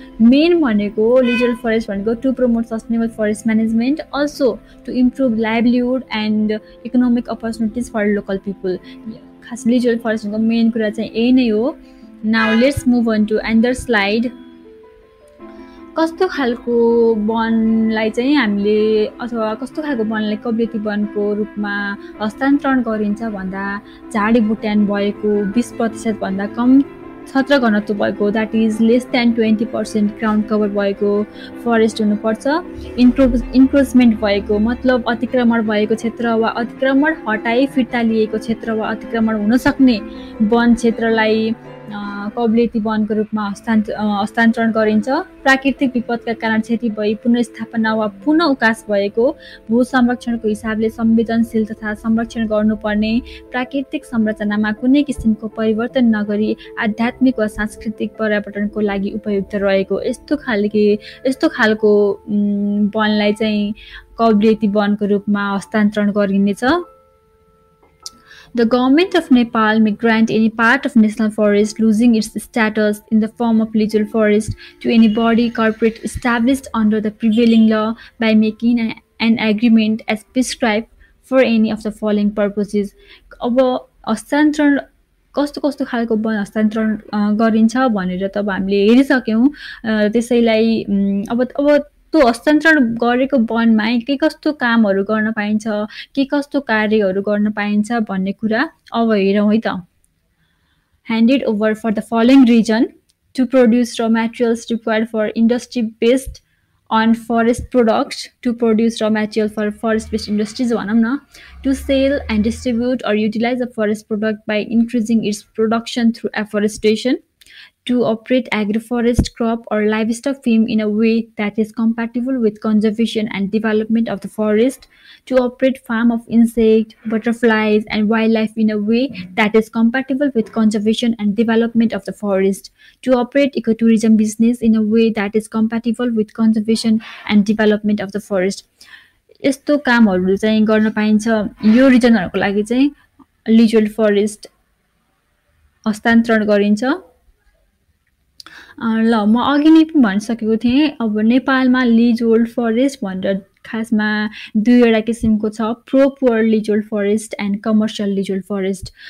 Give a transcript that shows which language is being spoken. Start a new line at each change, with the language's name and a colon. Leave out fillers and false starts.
Nepali: Main bhaneko
English: leasehold forest bhaneko to promote sustainable forest management, also to improve livelihood and economic opportunities for local people.
Nepali: Khas leasehold forest bhaneko main kura chai yahi nai ho.
English: Now let's move on to another slide.
Nepali: कस्तो खालको वनलाई चाहिँ हामीले अथवा कस्तो खालको वनलाई कब्जियती वनको रूपमा हस्तान्तरण गरिन्छ भन्दा झाडी बुट्यान भएको 20% भन्दा कम छत्र घनत्व भएको
English: that is less than 20% ground cover
Nepali: भएको फरेस्ट हुनुपर्छ. इन्क्रोचमेन्ट भएको मतलब अतिक्रमण भएको क्षेत्र वा अतिक्रमण हटाइ फिर्ता लिएको क्षेत्र वा अतिक्रमण हुन सक्ने वन क्षेत्रलाई कब्लेती वनको रूपमा हस्तान्तरण गरिन्छ. प्राकृतिक विपदका कारण क्षति भई पुनर्स्थापना वा पुनः उकास भएको भू संरक्षणको हिसाबले संवेदनशील तथा संरक्षण गर्नुपर्ने प्राकृतिक संरचनामा कुनै किसिमको परिवर्तन नगरी आध्यात्मिक वा सांस्कृतिक पर्यावरणको लागि उपयुक्त रहेको यस्तो खालको वनलाई चाहिँ कब्लेती वनको रूपमा हस्तान्तरण गरिनेछ.
English: The government of Nepal may grant any part of national forest losing its status in the form of leasehold forest to any body corporate established under the prevailing law by making an agreement as prescribed for any of the following purposes.
Nepali: अब हस्तान्तरण कस्तो कस्तो खालको वन हस्तान्तरण गरिन्छ भनेर त अब हामीले हेरिसक्यौँ. त्यसैलाई अब त्यो हस्तान्तरण गरेको वनमा के कस्तो कामहरू गर्न पाइन्छ, के कस्तो कार्यहरू गर्न पाइन्छ भन्ने कुरा अब हेरौँ है त.
English: handed over for the following reason to produce raw materials required for industry based on forest product to produce raw material for forest based industries
Nepali: भनौँ न.
English: To sell and distribute or utilize a forest product by increasing its production through afforestation. To operate agroforest crop or livestock farm in a way that is compatible with conservation and development of the forest. To operate farm of insects, butterflies and wildlife in a way that is compatible with conservation and development of the forest. To operate ecotourism business in a way that is compatible with conservation and development of the forest.
Nepali: यस्तो कामहरू चाहिँ गर्न पाइन्छ यो रिजनहरूको लागि चाहिँ leasehold forest हस्तान्तरण गरिन्छ. ल म अघि नै पनि भनिसकेको थिएँ अब नेपालमा लिजोल्ड फरेस्ट भनेर खासमा दुईवटा किसिमको छ,
English: pro poor leasehold forest
Nepali: and commercial लिजोल्ड forest.